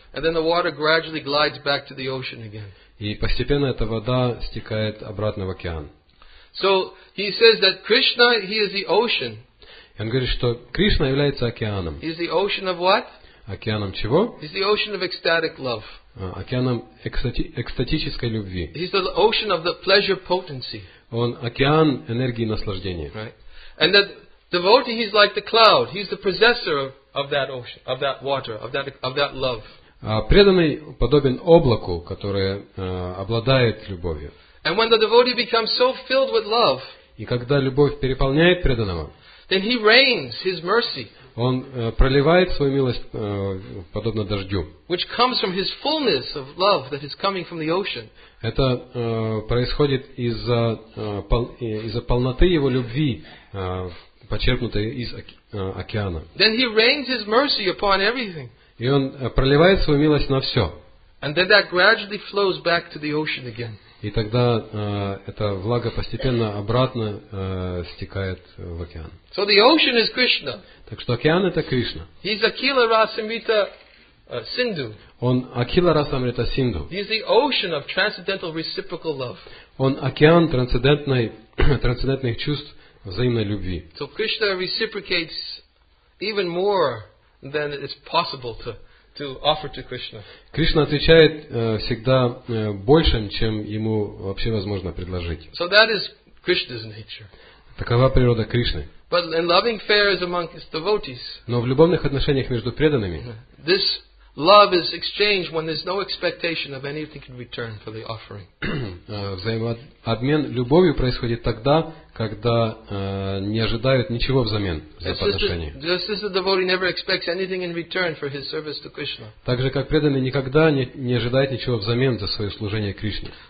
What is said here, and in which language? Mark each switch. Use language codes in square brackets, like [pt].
[en] And then the water gradually glides back to the ocean again. [ru] И постепенно эта вода стекает обратно в океан. [en] So he says that Krishna, he is the ocean. [ru] И он говорит, что Кришна является океаном. [en] He is the ocean of what? [ru] Океаном чего? [en] He is the ocean of ecstatic love. [ru] Океаном экстатической любви. [en] He is the ocean of the pleasure potency. [ru] Он океан энергии наслаждения. [en] Right. And that devotee, he's like the cloud. He's the possessor of that ocean, of that water, of that love. [ru] Преданный подобен облаку, которое обладает любовью. [en] And when the devotee becomes so filled with love, [ru] и когда любовь переполняет преданного, [en] then he rains his mercy, [ru] он проливает свою милость подобно дождю. [en] Which comes from his fullness of love that is coming from the ocean. [ru] Это происходит из-за полноты его любви, почерпнутой из океана. [en] Then he rains his mercy upon everything. [ru] И он проливает свою милость на все. [en] And then that gradually flows back to the ocean again. [ru] И тогда эта влага постепенно обратно стекает в океан. [en] So the ocean is Krishna. [ru] Так что океан это Кришна. [en] He's Akhila Rasamrita Sindhu. [ru] Он Akhila Rasamrita Sindhu. [en] He's the ocean of transcendental reciprocal love. [ru] Он океан трансцендентных чувств взаимной любви. [en] So Krishna reciprocates even more. Then it's possible to offer to Krishna. [ru] Кришна отвечает всегда большим, чем ему вообще возможно предложить. [en] So that is Krishna's nature. [ru] Такова природа Кришны. [en] But in loving affairs among his devotees. [ru] Но в любовных отношениях между преданными. [en] This love is exchanged when there's no expectation of anything in return for the offering. [ru] Взаимообмен любовью происходит тогда, когда не ожидают ничего взамен за подношение. [en] Just as the devotee never expects anything in return for his service to Krishna. [ru] Так же, как преданный никогда не ожидает ничего взамен за свое служение Кришне.